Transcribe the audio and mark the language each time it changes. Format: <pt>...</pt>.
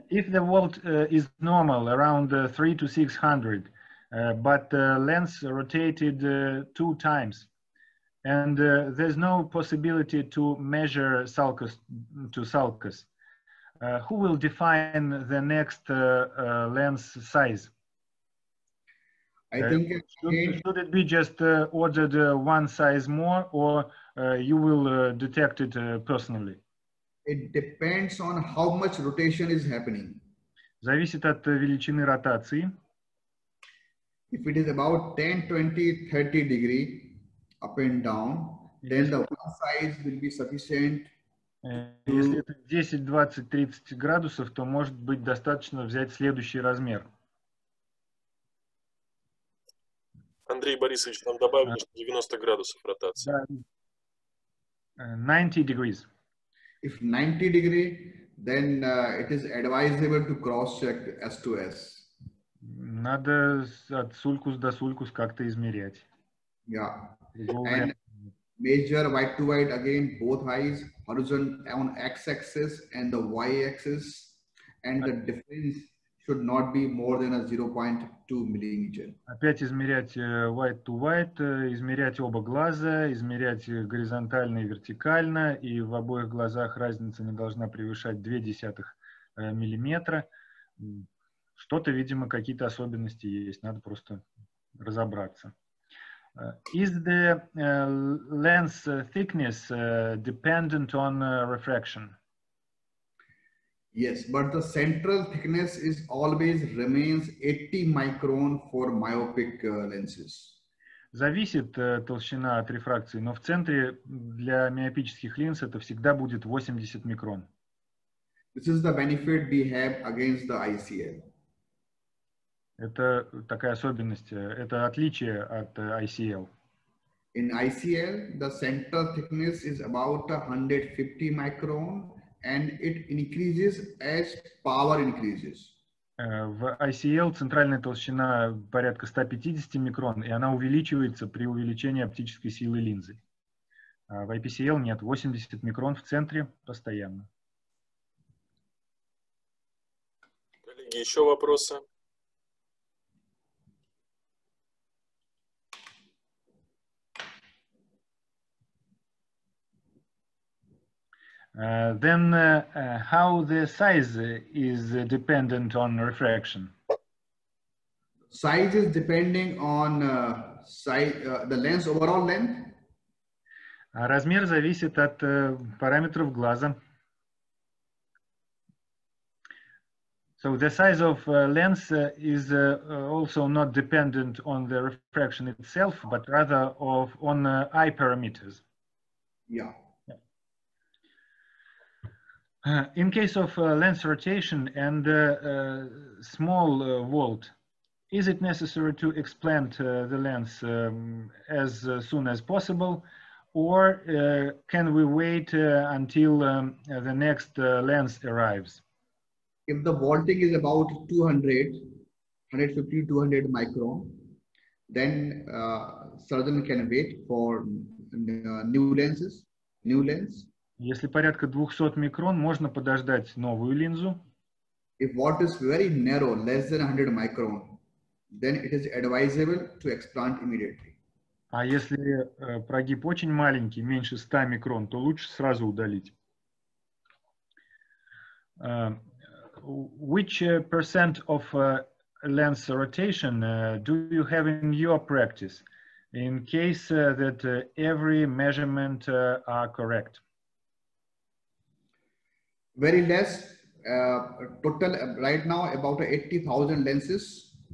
<en>If the world is normal around 300 to 600, but the lens rotated two times, and there's no possibility to measure sulcus to sulcus, who will define the next lens size? I think should it be just ordered one size more, or you will detect it personally? It depends on how much rotation is happening.</en> <ru>Зависит от величины ротации.</ru> <en>If it is about 10, 20, 30 degree up and down, then the one size will be sufficient.</en> <ru>Если это 10, 20, 30 градусов, то может быть достаточно взять следующий размер. Андрей Борисович, там добавили, что 90 градусов ротации.</ru> <en>90 degrees. If 90 degree, then it is advisable to cross-check S2S.</en> <ru>Надо от сулькус до сулькус как-то измерять.</ru> <en>Yeah. Resolve. And measure white to white again, both eyes, horizontal on X-axis and the Y-axis. And the difference should not be more than a 0.2 millimeter.</en> <ru>Опять измерять white to white, измерять оба глаза, измерять горизонтально и вертикально, и в обоих глазах разница не должна превышать 0.2 миллиметра. Что-то, видимо, какие-то особенности есть, надо просто разобраться.</ru> <en>Is the lens thickness dependent on refraction? Yes, but the central thickness is always remains 80 micron for myopic lenses.</en> <ru>Зависит толщина от рефракции, но в центре для миопических линз это всегда будет 80 микрон.</ru> <en>This is the benefit we have against the ICL.</en> <ru>Это такая особенность, это отличие от ICL.</ru> <en>In ICL, the central thickness is about 150 micron. And it increases as power increases.</en> <ru>В ICL центральная толщина порядка 150 микрон, и она увеличивается при увеличении оптической силы линзы. А в IPCL нет, 80 микрон в центре постоянно. Коллеги, еще вопросы?</ru> <en>Then how the size is dependent on refraction? Size is depending on the lens overall length.</en> <ru>Размер зависит от параметров глаза.</ru> <en>So the size of lens is also not dependent on the refraction itself, but rather on eye parameters. Yeah. In case of lens rotation and small vault, is it necessary to explant the lens as soon as possible, or can we wait until the next lens arrives? If the vaulting is about 200 micron, then surgeon can wait for new lenses, new lens.</en> <ru>Если порядка 200 микрон, можно подождать новую линзу.</ru> <en>If water is very narrow, less than 100 micron, then it is advisable to explant immediately.</en> <ru>А если прогиб очень маленький, меньше 100 микрон, то лучше сразу удалить.</ru> <en>Which percent of lens rotation do you have in your practice in case that every measurement are correct? Very less. Total right now about 80,000 lenses.</en>